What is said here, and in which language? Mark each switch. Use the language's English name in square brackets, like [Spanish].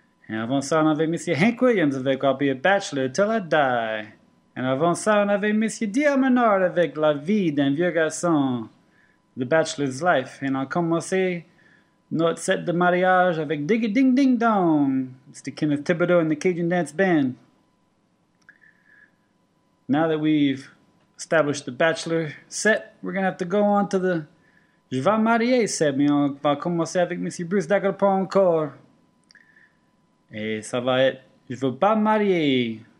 [French] Et avant ça, on avait Monsieur Hank Williams avec I'll be a bachelor till I die. Et avant ça, on avait Monsieur Dia Menard avec La vie d'un vieux garçon. The Bachelor's Life. Et on a commencé notre set de mariage avec Diggy Ding Ding Dong. [English] Mr. Kenneth Thibodeau and the Cajun Dance Band. Now that we've established the Bachelor set, we're going to have to go on to the Je vais marier set. [French] Mais on va commencer avec Monsieur Bruce Dagalpont encore. Et ça va être Je veux pas marier.